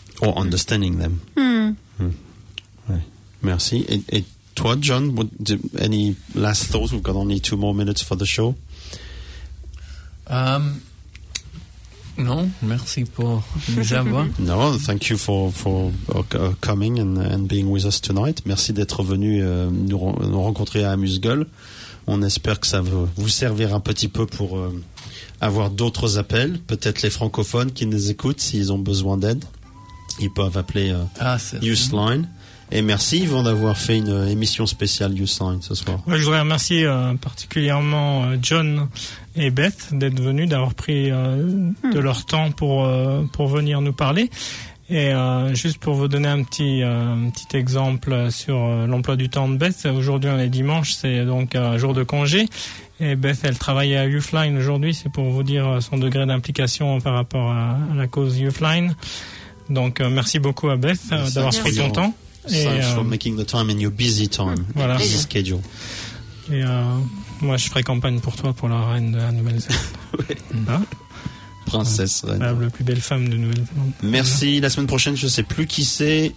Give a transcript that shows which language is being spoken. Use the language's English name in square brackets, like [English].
[English] Or understanding them. Merci. Toi, John, any last thoughts? We've got only 2 more minutes for the show. [French] Non, merci pour nous avoir. [English] No, thank you for coming and being with us tonight. [French] Merci d'être venu nous rencontrer à Amuse-Gueule. On espère que ça va vous servir un petit peu pour avoir d'autres appels. Peut-être les francophones qui nous écoutent, s'ils ont besoin d'aide, ils peuvent appeler Useline. Et merci Yvan d'avoir fait une émission spéciale Useline ce soir. Ouais, je voudrais remercier particulièrement John et Beth d'être venus, d'avoir pris de leur temps pour venir nous parler. Et juste pour vous donner un petit exemple sur l'emploi du temps de Beth, aujourd'hui on est dimanche, c'est donc un jour de congé. Et Beth, elle travaille à Useline aujourd'hui, c'est pour vous dire son degré d'implication par rapport à la cause Useline. Donc merci beaucoup à Beth d'avoir pris ton temps. [English] Thanks for making the time in your busy time, [French] voilà. [English] Busy schedule. [French] Et moi, je ferai campagne pour toi pour la reine de la Nouvelle-Zélande. Oui. Princesse reine. La plus belle femme de Nouvelle-Zélande. Merci. Voilà. La semaine prochaine, je ne sais plus qui c'est.